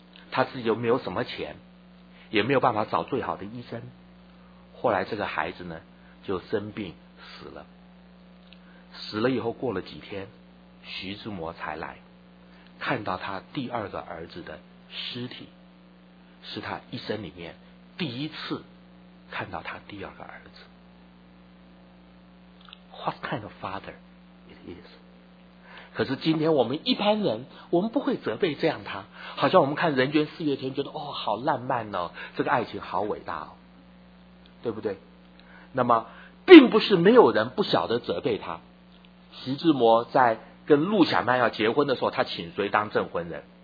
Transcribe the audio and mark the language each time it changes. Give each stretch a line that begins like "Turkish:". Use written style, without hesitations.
Chinese: 他自己又没有什么钱，也没有办法找最好的医生，后来这个孩子呢就生病死了。死了以后过了几天，徐志摩才来看到他第二个儿子的尸体，是他一生里面第一次看到他第二个儿子。
English: What kind of father it is？
Chinese: 可是今天我们一般人，我们不会责备这样他，好像我们看人间四月天觉得哦好浪漫哦，这个爱情好伟大哦，对不对？那么并不是没有人不晓得责备他。徐志摩在跟陆小曼要结婚的时候，他请谁当证婚人？